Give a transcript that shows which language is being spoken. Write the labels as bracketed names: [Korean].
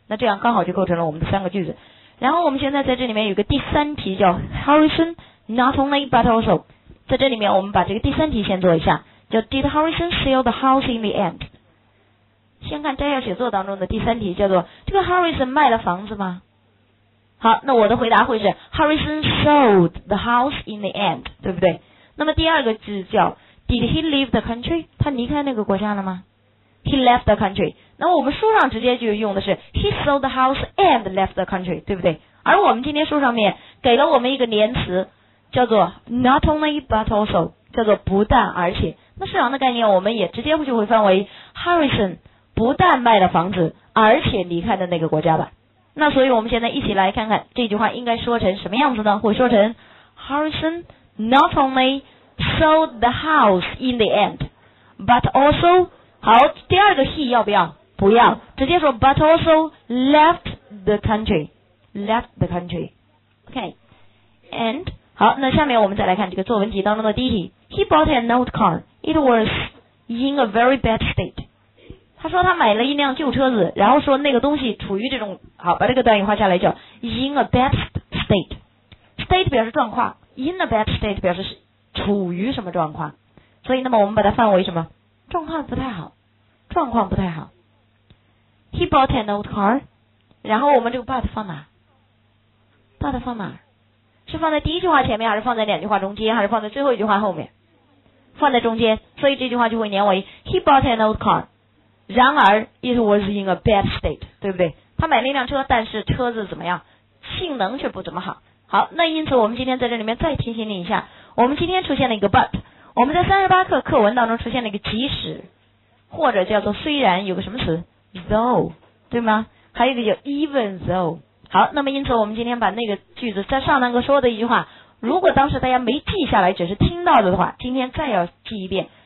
[Chinese] 那这样刚好就构成了我们的三个句子。然后我们现在在这里面有个第三题叫 Harrison not only but also， 在这里面我们把这个第三题先做一下，叫 [English] Did Harrison sell the house in the end。 [Chinese] 先看摘要写作当中的第三题，叫做这个 Harrison 卖了房子吗？好，那我的回答会是 [English] Harrison sold the house in the end， [Chinese] 对不对？那么第二个字叫 [English] Did he leave the country？ [Chinese] 他离开那个国家了吗？ [English] He left the country。 [Chinese] 那我们书上直接就用的是 [English] He sold the house and left the country， [Chinese] 对不对？而我们今天书上面给了我们一个连词叫做 not only but also， 叫做不但而且。那市场的概念我们也直接就会分为 Harrison 不但卖了房子而且离开的那个国家吧。那所以我们现在一起来看看这句话应该说成什么样子呢？会说成 [English] HarrisonNot only sold the house in the end but also， [Chinese] 好，第二个 [English] he [Chinese] 要不要？不要，直接说 [English] but also left the country， left the country， OK and， [Chinese] 好，那下面我们再来看这个作文题当中的第一题。 [English] He bought a note car， it was in a very bad state。 [Chinese] 他说他买了一辆旧车子，然后说那个东西处于这种，好，把这个短语画下来叫 [English] in a bad state， [Chinese] state 表示状况，in a bad state 表示是处于什么状况，所以那么我们把它范围什么？状况不太好，状况不太好。 [English] He bought an old car， [Chinese] 然后我们这个 [English] but [Chinese] 放哪？ but 放哪？是放在第一句话前面，还是放在两句话中间，还是放在最后一句话后面？放在中间，所以这句话就会连为 [English] He bought an old car， [Chinese] 然而 [English] it was in a bad state， [Chinese] 对不对？他买了一辆车，但是车子怎么样？性能却不怎么好。好，那因此我们今天在这里面再提醒你一下，我们今天出现了一个 but， 我们在38课课文当中出现了一个即使，或者叫做虽然，有个什么词 though， 对吗？还有一个叫 even though。好，那么因此我们今天把那个句子在上堂课说的一句话，如果当时大家没记下来只是听到的话，今天再要记一遍。